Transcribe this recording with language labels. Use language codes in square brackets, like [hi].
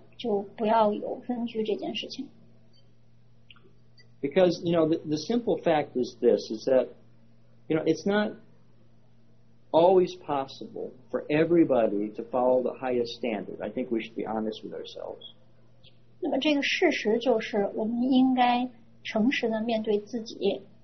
[zh] 除非在这个夫妻间产生了有各种形式的家暴，否则的话呢，以这个婚姻是要继续持续的，就不要有分居这件事情。 [en] Because, you know, the simple fact is this, is that, you know, it's not always possible for everybody to follow the highest standard. I think we should be honest with ourselves. [zh] 那么这个事实就是我们应该诚实地面对自己。